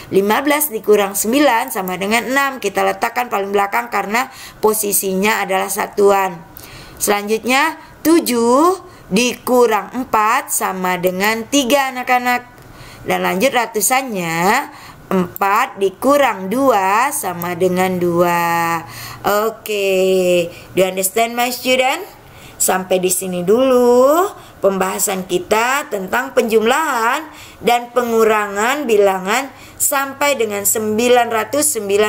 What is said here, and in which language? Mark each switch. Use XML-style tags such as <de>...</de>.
<id>15 dikurang 9 sama dengan 6, kita letakkan paling belakang karena posisinya adalah satuan. Selanjutnya 7 dikurang 4 sama dengan 3 anak-anak. Dan lanjut ratusannya 4 dikurang 2 sama dengan 2.</id> <en>Oke, do you understand my student?</en> <id>Sampai di sini dulu pembahasan kita tentang penjumlahan dan pengurangan bilangan sampai dengan 999.</id>